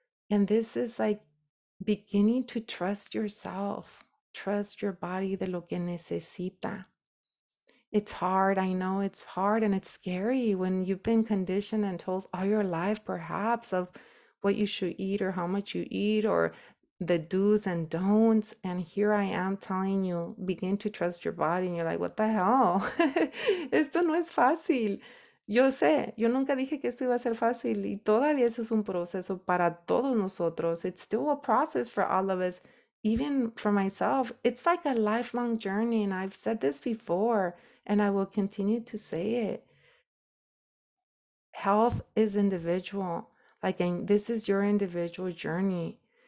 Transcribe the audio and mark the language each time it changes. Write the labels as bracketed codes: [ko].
[en] And this is like beginning to trust yourself, trust your body, [es] de lo que necesita. [en] It's hard. I know it's hard and it's scary when you've been conditioned and told all your life, perhaps, of what you should eat or how much you eat or the do's and don'ts. And here I am telling you, begin to trust your body. And you're like, what the hell? [es] Esto no es fácil. Yo sé, yo nunca dije que esto iba a ser fácil. Y todavía eso es un proceso para todos nosotros. [en] It's still a process for all of us. Even for myself, it's like a lifelong journey. And I've said this before, and I will continue to say it. Health is individual. Like, and this is your individual journey.